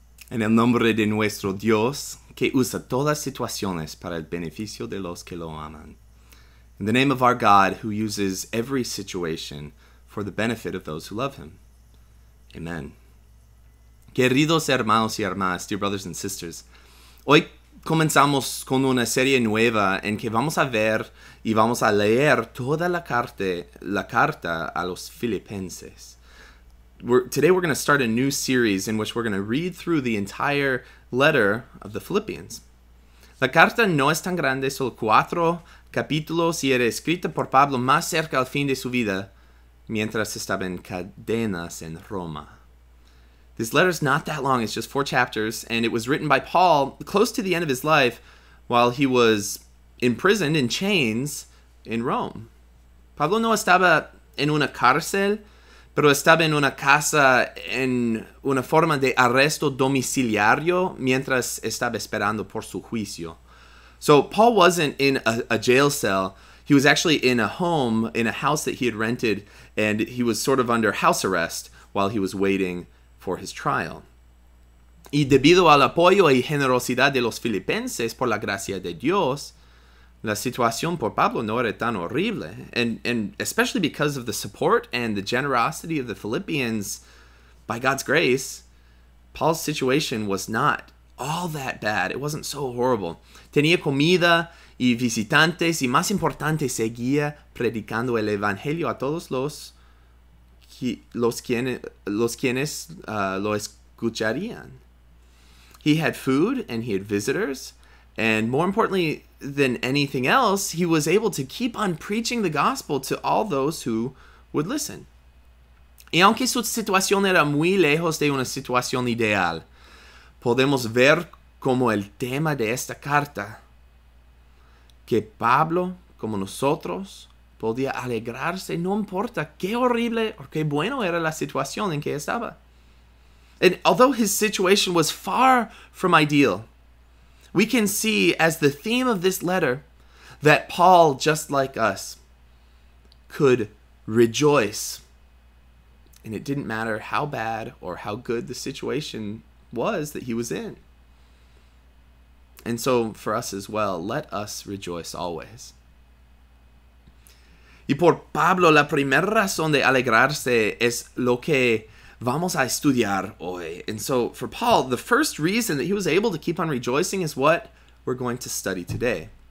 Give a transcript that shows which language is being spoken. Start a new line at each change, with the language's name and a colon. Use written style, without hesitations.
Spanish: En el nombre de nuestro Dios, que usa todas situaciones para el beneficio de los que lo aman.
English: In the name of our God, who uses every situation for the benefit of those who love him.
Spanish: Amen. Queridos hermanos y hermanas,
English: dear brothers and sisters,
Spanish: hoy comenzamos con una serie nueva en que vamos a ver y vamos a leer toda la carta a los filipenses.
English: Today we're going to start a new series in which we're going to read through the entire letter of the Philippians.
Spanish: La carta no es tan grande, solo 4 capítulos, y era escrita por Pablo más cerca al fin de su vida mientras estaba en cadenas en Roma.
English: This letter is not that long, it's just 4 chapters, and it was written by Paul close to the end of his life while he was imprisoned in chains in Rome.
Spanish: Pablo no estaba en una cárcel, pero estaba en una casa en una forma de arresto domiciliario mientras estaba esperando por su juicio.
English: So Paul wasn't in a jail cell. He was actually in a home, in a house that he had rented, and he was sort of under house arrest while he was waiting for his trial.
Spanish: Y debido al apoyo y generosidad de los filipenses por la gracia de Dios, la situación por Pablo no era tan horrible.
English: And especially because of the support and the generosity of the Philippians, by God's grace, Paul's situation was not all that bad. It wasn't so horrible.
Spanish: Tenía comida y visitantes, y más importante, seguía predicando el evangelio a todos los quienes lo escucharían.
English: He had food and he had visitors, and more importantly than anything else, he was able to keep on preaching the gospel to all those who would listen. Y aunque su situación era muy lejos de una situación ideal, podemos ver como el tema de esta carta, que Pablo, como nosotros, podía alegrarse, no importa qué horrible o qué bueno era la situación en que estaba. And although his situation was far from ideal, we can see as the theme of this letter that Paul, just like us, could rejoice. And it didn't matter how bad or how good the situation was that he was in. And so for us as well, let us rejoice always.
Spanish: Y por Pablo, la primera razón de alegrarse es lo que vamos a estudiar hoy.
English: And so, for Paul, the first reason that he was able to keep on rejoicing is what we're going to study today.